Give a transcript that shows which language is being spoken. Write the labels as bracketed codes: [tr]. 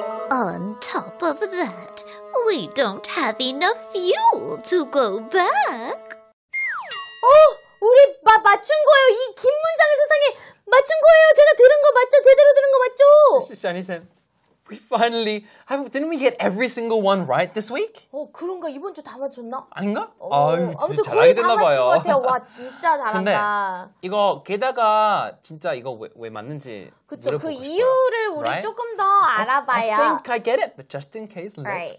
[en] On top of that, we don't have enough fuel to go back. [ko] 우리 맞춘 거예요. 이 긴 문장을 세상에 맞춘 거예요. 제가 들은 거 맞죠? 제대로 들은 거 맞죠? [en] 샤니쌤. We finally, didn't we get every single one right this week? [ko] 어, 그런가? 이번 주 다 맞췄나? 아닌가? 어, 아유, 진짜 잘하게 됐나 봐요. 와, 진짜 잘한다. 근데 이거 게다가 진짜 이거 왜 맞는지 그쵸, 그 이유를 우리 [en] right? [ko] 조금 더 알아봐야. [en] I think I get it, but just in case, let's right.